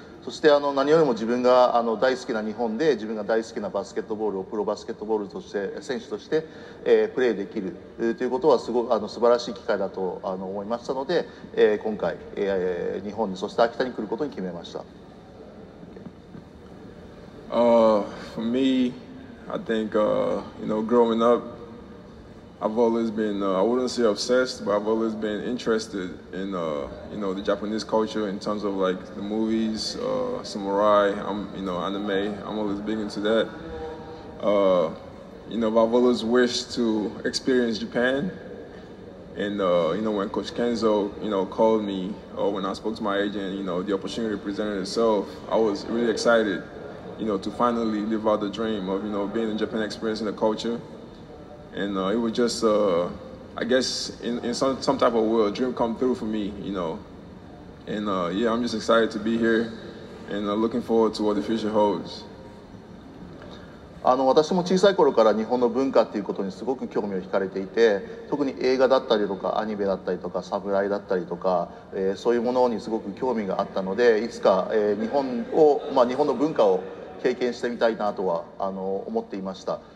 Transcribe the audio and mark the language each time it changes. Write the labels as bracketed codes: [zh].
[ja] そして何よりも自分が大好きな日本で、自分が大好きなバスケットボールをプロバスケットボールとして選手として、プレーできるということはすごく素晴らしい機会だと思いましたので、今回、日本にそして秋田に来ることに決めました。 [en] For me, I think, growing up, I've always been, I wouldn't say obsessed, but I've always been interested in, the Japanese culture in terms of like the movies, samurai, anime, I'm always big into that. I've always wished to experience Japan. And, when Coach Kenzo, called me, or when I spoke to my agent, the opportunity presented itself, I was really excited, to finally live out the dream of, being in Japan, experiencing the culture. And it was just, I guess, in some type of way, a dream come through for me, And yeah, I'm just excited to be here and looking forward to what the future holds. [ja] 私も小さい頃から日本の文化っていうことにすごく興味を惹かれていて、特に映画だったりとかアニメだったりとかサムライだったりとか、そういうものにすごく興味があったので、いつか、日本の文化を経験してみたいなとは思っていました。